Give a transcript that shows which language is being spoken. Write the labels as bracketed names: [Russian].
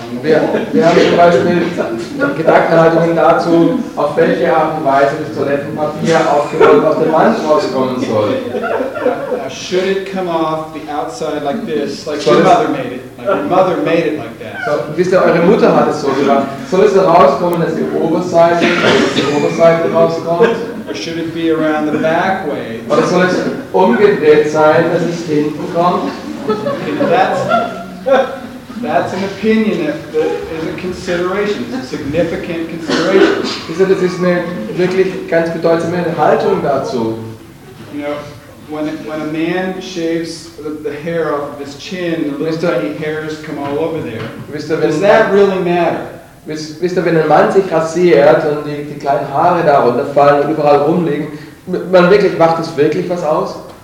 [German] Wir haben zum Beispiel Gedankenhaltungen dazu, auf welche Art und Weise das Toilettenpapier aufgerollt auf den Wand rauskommen soll. [English] Should it come off the outside like this, like your mother made it? Your mother made it like that. [German] So, wisst ihr, eure Mutter hat es so gemacht. Soll es rauskommen, dass die Oberseite rauskommt? [English] Or should it be around the back way? [German] Oder soll es umgedreht sein, dass es hinten kommt? [English] Okay, that's an opinion that is a consideration, a significant consideration. [German] Wisst ihr, das ist eine wirklich ganz bedeutsame Haltung dazu. [English] When a man shaves the hair off of his chin, the little tiny hairs come all over there. Does that really matter? [German] Wisst ihr, wenn ein Mann sich rasiert und die kleinen Haare da runterfallen und überall rumliegen, man wirklich, macht das wirklich was aus?